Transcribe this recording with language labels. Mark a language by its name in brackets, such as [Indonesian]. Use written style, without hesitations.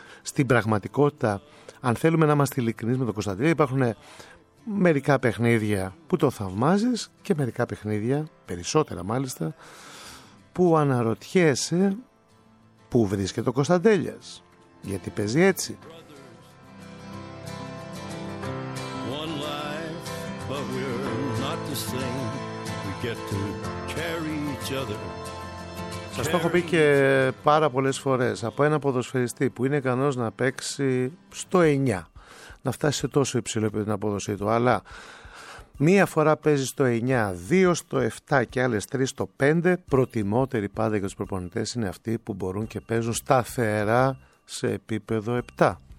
[Greek] Στην πραγματικότητα, αν θέλουμε να είμαστε ειλικρινείς με τον Κωνσταντίνο, υπάρχουν μερικά παιχνίδια που το θαυμάζεις και μερικά παιχνίδια, περισσότερα μάλιστα, που αναρωτιέσαι πού βρίσκεται ο Κωνσταντέλιας, γιατί παίζει έτσι. [English] One life, but we're not the same. We get to carry each other. [Greek] Σας το έχω πει και πάρα πολλές φορές, από ένα ποδοσφαιριστή που είναι ικανός να παίξει στο 9, να φτάσει σε τόσο υψηλό επίπεδο την απόδοσή του, αλλά μία φορά παίζει στο 9, δύο στο 7 και άλλες τρεις στο 5, προτιμότεροι πάντα για τους προπονητές είναι αυτοί που μπορούν και παίζουν σταθερά σε επίπεδο 7.